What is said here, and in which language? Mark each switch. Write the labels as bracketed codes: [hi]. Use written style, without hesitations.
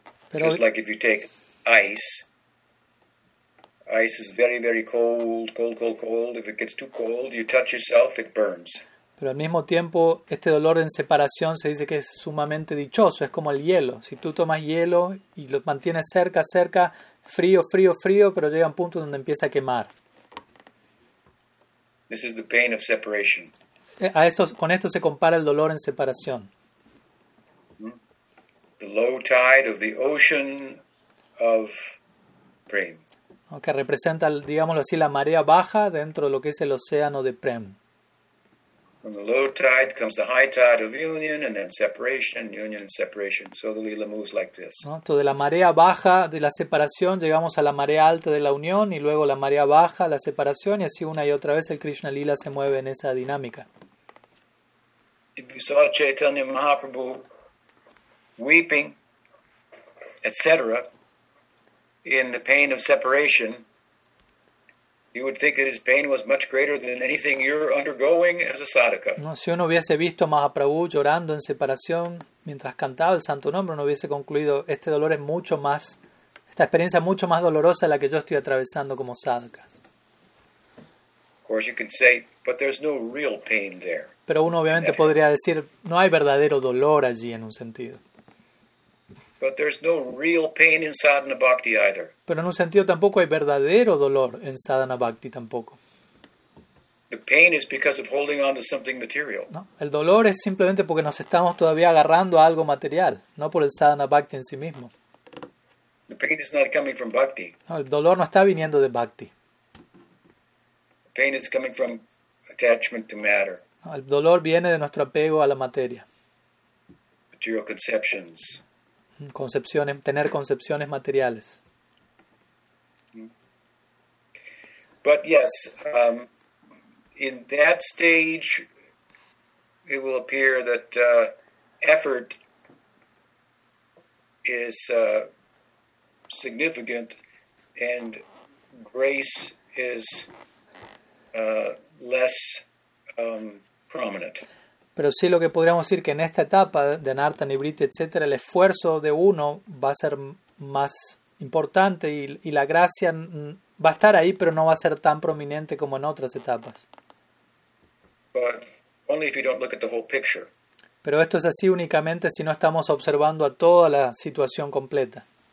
[es] Pero, [en] just like if you take ice. Ice is very, very cold, cold, cold, cold. If it gets too cold, you touch yourself, it burns. [es] Pero al mismo tiempo, este dolor en separación se dice que es sumamente dichoso. Es como el hielo. Si tú tomas hielo y lo mantienes cerca, cerca, frío, frío, frío, pero llega un punto donde empieza a quemar. [en] This is the pain of separation. [es] A esto, con esto se compara el dolor en separación. [en] The low tide of the ocean of pain. [es] Que representa, digámoslo así, la marea baja dentro de lo que es el océano de Prem. [en] From the low tide comes the high tide of union and then separation, union and separation. So the lila moves like this. [es] ¿No? Entonces, de la marea baja de la separación llegamos a la marea alta de la unión y luego la marea baja, la separación, y así una y otra vez el Krishna lila se mueve en esa dinámica. [en] If you saw Chaitanya Mahaprabhu weeping, etc., in the pain of separation, you would think that his pain was much greater than anything you're undergoing as a sadhaka. [es] No, si uno hubiese visto a Mahaprabhu llorando en separación mientras cantaba el santo nombre, uno hubiese concluido, este dolor es mucho más, esta experiencia es mucho más dolorosa de la que yo estoy atravesando como sadhaka. [en] Of course you could say, but there's no real pain there. [es] Pero uno obviamente podría decir, no hay verdadero dolor allí en un sentido. [en] But there's no real pain in sadhana bhakti either. [es] Pero en un sentido tampoco hay verdadero dolor en sadhana bhakti tampoco. [en] The pain is because of holding on to something material. [es] No, el dolor es simplemente porque nos estamos todavía agarrando a algo material, no por el sadhana bhakti en sí mismo. [en] The pain is not coming from bhakti. [es] No, el dolor no está viniendo de bhakti. [en] The pain is coming from attachment to matter. [es] No, el dolor viene de nuestro apego a la materia. [en] Material conceptions. [es] Concepciones, tener concepciones materiales. [en] But yes, in that stage, it will appear that effort is significant and grace is less prominent. [es] Pero sí, lo que podríamos decir que en esta etapa de Anartha, Nibrita, etc., el esfuerzo de uno va a ser más importante y la gracia va a estar ahí, pero no va a ser tan prominente como en otras etapas. [en] But only if you don't look at the whole picture. [es] Pero esto es así únicamente si no estamos observando a toda la situación completa.